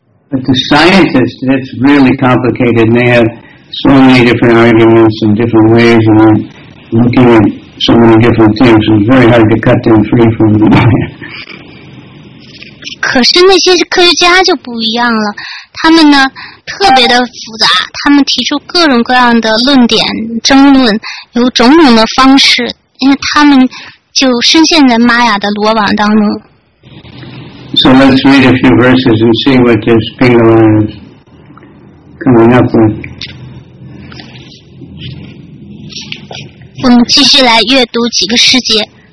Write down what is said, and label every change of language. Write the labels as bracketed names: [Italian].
[English] But the scientists, it's really complicated, and they have so many different arguments and different ways and looking at so many different things, it's very hard to cut them free from the mind. [Chinese] 可是那些科学家就不一样了，他们呢特别的复杂，他们提出各种各样的论点争论，有种种的方式，因为他们就深陷在玛雅的罗网当中。 [English] So let's read a few verses and see what this Pingala is coming up with. [Chinese] 我们继续来阅读几个诗节。